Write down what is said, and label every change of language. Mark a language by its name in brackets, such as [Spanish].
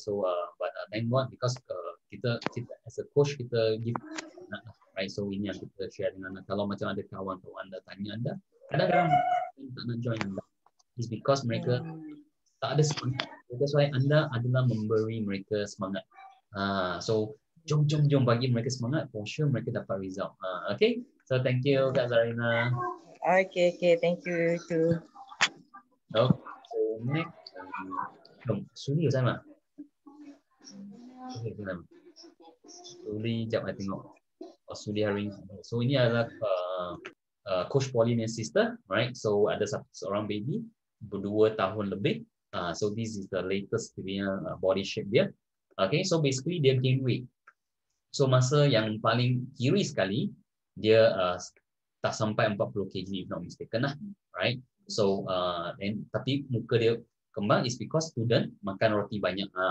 [English] So, but thank God because kita as a coach kita give, right? [Malay] So ini yang kita share dengan anda. Kalau macam ada kawan-kawan anda tanya anda, kadang-kadang tak nak join anda, [English] is because [Malay] mereka tak ada semangat. [English] That's why [Malay] anda adalah memberi mereka semangat. So jom bagi mereka semangat, [English] for sure [Malay] mereka dapat result. [English] Okay, so thank you, Kak Zarina. Okay, thank you too. Oh, okay, so next. [Malay] Suli ada sama? Okay, kenapa? Suli, jap saya tengok. Oh, Suli hari ini. [English] So, [Malay] ini adalah [English] Coach Pauline's sister, right? [Malay] So, ada seorang baby, 2 tahun lebih. [English] So, this is the latest dia, body shape dia. Okay, so basically [Malay] dia [English] gain weight. [Malay] So, masa yang paling kiri sekali, dia tak sampai 40 kg, [English] if not mistaken [Malay] lah. Right? So, tapi muka dia kembang [English] is because [Malay] student makan roti banyak.